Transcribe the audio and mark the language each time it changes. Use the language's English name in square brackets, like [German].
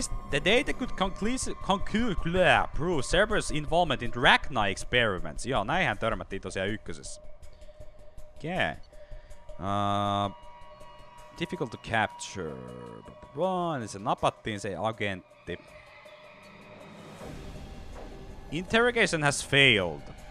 [English] The data could conclude prove Cerberus' involvement in Drachna experiments. [Finnish] Joo, näinhän törmättiin tosiaan ykkösessä. Okei. [English] Difficult to capture. [Finnish] Niin se napattiin, se agentti. [English] Interrogation has failed.